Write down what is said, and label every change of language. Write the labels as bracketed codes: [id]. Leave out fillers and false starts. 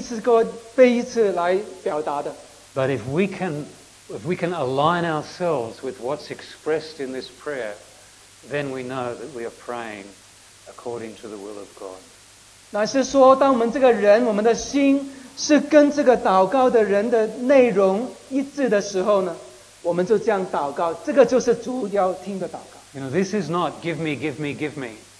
[zh] 所以这个祷告不是要怎样背一次来表达的。 [en] But if we can align ourselves with what's expressed in this prayer, then we know that we are praying according to the will of God. [zh] 乃是说，当我们这个人，我们的心。是跟这个祷告的人的内容一致的时候呢，我们就这样祷告，这个就是主要听的祷告。 [en] You know, this is not give me, give me, give me.